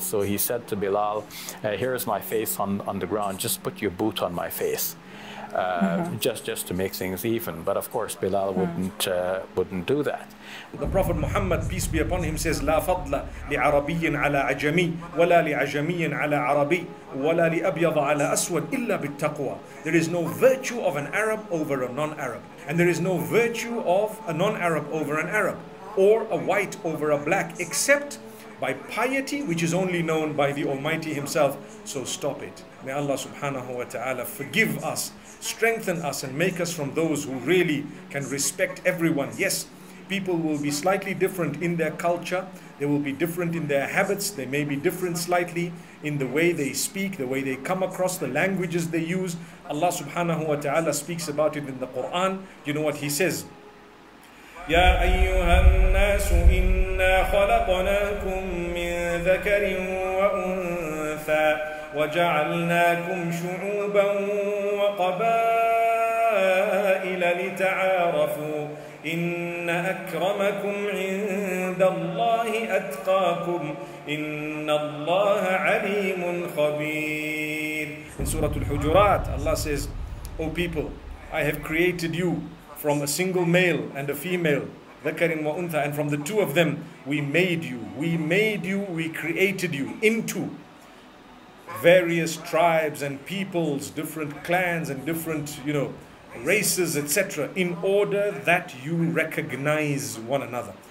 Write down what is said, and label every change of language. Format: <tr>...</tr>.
<en>So he said to Bilal, here is my face on the ground, just put your boot on my face. Just to make things even. But of course, Bilal wouldn't do that. The Prophet Muhammad, peace be upon him, says,</en> <ar>لَا فَضْلَ لِعَرَبِيٍ عَلَىٰ عَجَمِي وَلَا لِعَجَمِيٍ عَلَىٰ عَرَبِي وَلَا لِأَبْيَضَ عَلَىٰ أَسْوَدْ إِلَّا بِالتَّقْوَى.</ar> <en>There is no virtue of an Arab over a non-Arab. And there is no virtue of a non-Arab over an Arab, or a white over a black, except by piety, which is only known by the Almighty Himself. So stop it. May Allah subhanahu wa ta'ala forgive us, strengthen us, and make us from those who really can respect everyone. Yes, people will be slightly different in their culture. They will be different in their habits. They may be different slightly in the way they speak, the way they come across, the languages they use. Allah subhanahu wa ta'ala speaks about it in the Quran. You know what He says?</en> <ar>يا أيها الناس إنا خلقناكم من ذكر وأنثى وجعلناكم شعوبا وقبائل لتعارفوا إن أكرمكم عند الله أتقاكم إن الله عليم خبير.</ar> <en>In Surah Al-Hujurat, Allah says, O people, I have created you from a single male and a female,</en> <ar>ذَكَرٍ وَأُنْثَى,</ar> <en>and from the two of them, we made you, we created you into various tribes and peoples, different clans and different, you know, races, etc., in order that you recognize one another.</en>